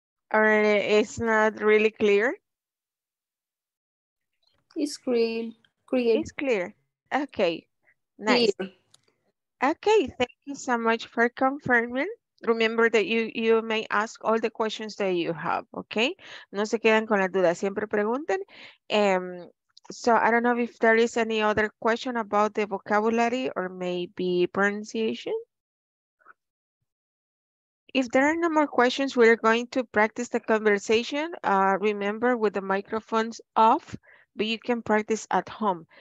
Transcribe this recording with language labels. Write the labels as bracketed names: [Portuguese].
[English] All or it's not really clear? It's clear. Clear. It's clear. Okay. Nice. Clear. Okay. Thank you so much for confirming. Remember that you may ask all the questions that you have, okay? [Spanish] No se quedan con las dudas, siempre pregunten. [English] So I don't know if there is any other question about the vocabulary or maybe pronunciation. If there are no more questions, we're going to practice the conversation. Remember, with the microphones off, but you can practice at home.